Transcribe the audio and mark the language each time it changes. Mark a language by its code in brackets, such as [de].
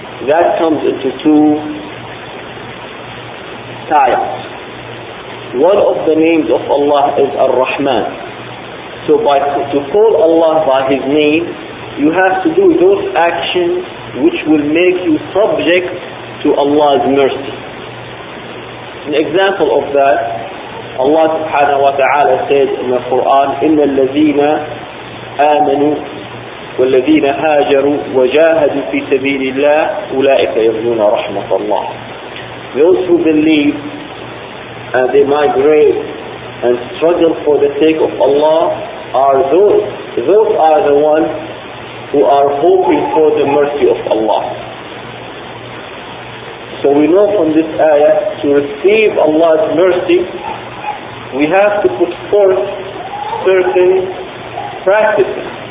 [en] That comes into two types. One of the names of Allah is Ar-Rahman. So to call Allah by His name, you have to do those actions which will make you subject to Allah's mercy. An example of that, Allah subhanahu wa ta'ala said in the Quran, [ar] إِنَّ الَّذِينَ آمَنُوا والذين هاجروا وجاهدوا في سبيل الله أولئك يرجون رحمة الله. [en] Those who believe and they migrate and struggle for the sake of Allah are those are the ones who are hoping for the mercy of Allah. So we know from this ayah, to receive Allah's mercy we have to put forth certain practices.